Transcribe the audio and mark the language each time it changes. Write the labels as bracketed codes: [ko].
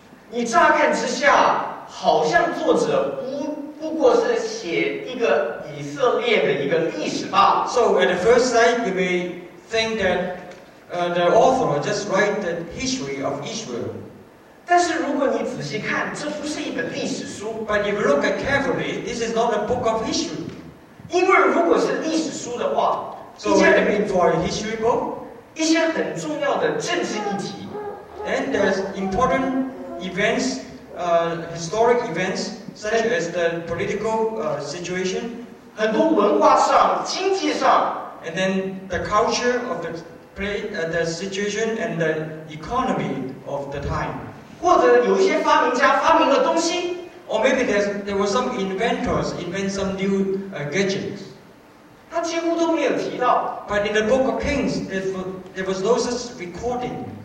[zh] 你乍看之下, 好像作者不过是写一个以色列的一个历史吧。 [en] So at the first sight, you may think that the author just write the history of Israel. [zh] 但是如果你仔细看, [en] But if you look at carefully, this is not a book of history. [zh] 因为如果是历史书的话, [en] So what do you mean for a history book? [zh] 一些很重要的政治议题, [en] And there's important events, historic events, such as the political situation. [zh] 很多文化上, 经济上, [en] And then the culture of the the situation and the economy of the time. [zh] 或者有些发明家发明的东西, [en] or maybe there were some inventors invent some new gadgets. [zh] 他几乎都没有提到, [en] but in the book of Kings, there was no such recording.